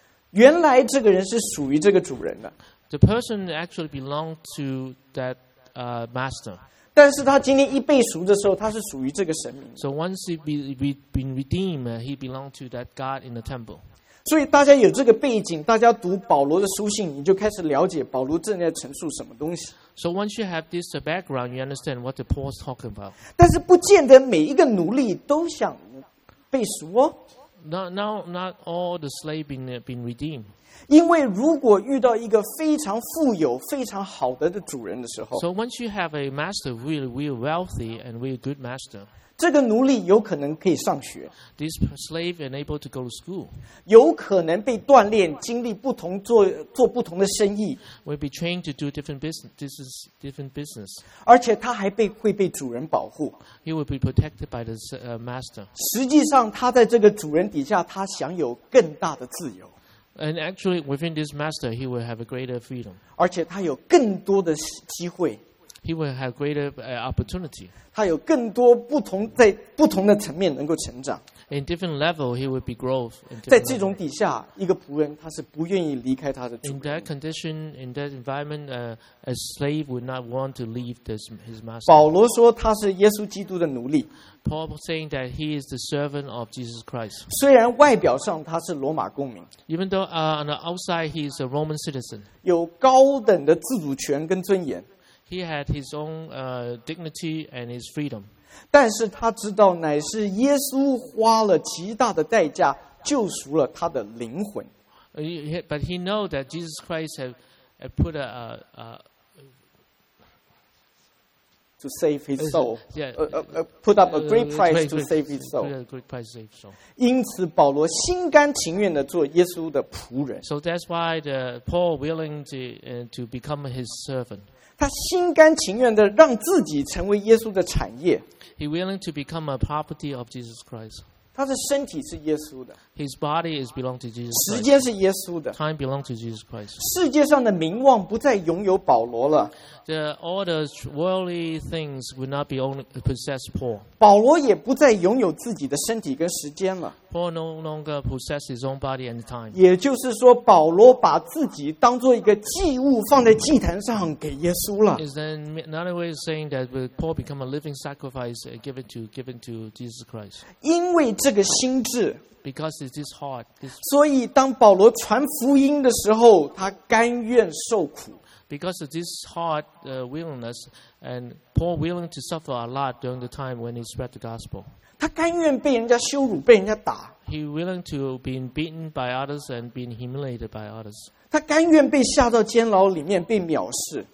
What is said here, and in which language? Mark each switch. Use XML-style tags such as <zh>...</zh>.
<zh>原来这个人是属于这个主人的。</zh> <en>The person actually belonged to that master.</en> <zh>但是他今天一被赎的时候，他是属于这个神明。</zh> <en>So once he been redeemed, he belonged to that God in the temple.</en> <zh>所以大家有这个背景，大家读保罗的书信，你就开始了解保罗正在陈述什么东西。</zh> <en>So once you have this background, you understand what the Paul's talking about.</en> <zh>但是不见得每一个奴隶都想被赎哦。</zh> <en>Not all the slave been redeemed.</en> <zh>因为如果遇到一个非常富有、非常好的主人的时候</zh> <en>，So once you have a master really wealthy and really good master.</en> <zh>这个奴隶有可能可以上学。</zh> <en>This slave is able to go to school.</en> <zh>有可能被锻炼，经历不同做不同的生意。</zh> <en>Will be trained to do different business.</en> <zh>而且他还会被主人保护。</zh> <en>He will be protected by the master.</en> <zh>实际上，他在这个主人底下，他享有更大的自由。</zh> <en>And actually, within this master, he will have a greater freedom.</en> <zh>而且他有更多的机会。</zh> <en>He will have greater opportunity.</en> <zh>他有更多不同在不同的层面能够成长。</zh> <en>In different level, he will be growth.</en> <zh>在这种底下，一个仆人他是不愿意离开他的主人。</zh> <en>In that condition, in that environment, a slave would not want to leave his master.</en> <zh>保罗说他是耶稣基督的奴隶。</zh> <en>Paul saying that he is the servant of Jesus Christ.</en> <zh>虽然外表上他是罗马公民</zh> <en>，even though on the outside he is a Roman citizen，</en> <zh>有高等的自主权跟尊严</zh> <en>，he had his own dignity and his freedom。</en> <zh>但是他知道乃是耶稣花了极大的代价救赎了他的灵魂。</zh> <en>But he knows that Jesus Christ have put a to save his soul, put up a great price to save his soul. In此</en> <zh>保罗心甘情愿地做耶稣的仆人。</zh> <en>So that's why the Paul willing to become his servant.</en> <zh>他心甘情愿地让自己成为耶稣的产业。</zh> <en>He willing to become a property of Jesus Christ.</en> <zh>他的身体是耶稣的。</zh> <en>His body is belong to Jesus Christ.</en> <zh>时间是耶稣的。</zh> <en>Time belong to Jesus Christ.</en> <zh>世界上的名望不再拥有保罗了。</zh> <en>All the worldly things would not be only possess Paul.</en> <zh>保罗也不再拥有自己的身体跟时间了。</zh> <en>Paul no longer possess his own body and time.</en> <zh>也就是说，保罗把自己当做一个祭物放在祭坛上给耶稣了。</zh> <en>Is then another way of saying that Paul become a living sacrifice given to Jesus Christ?</en> <zh>因为这个心智。</zh> <en>Because it is hard.</en> <zh>所以当保罗传福音的时候，他甘愿受苦。</zh> <en>Because of this hard willingness, and Paul willing to suffer a lot during the time when he spread the gospel.</en> <zh>他甘愿被人家羞辱，被人家打。</zh> <en>He willing to be beaten by others and being humiliated by others.</en> <zh>他甘愿被下到监牢里面被藐视。</zh>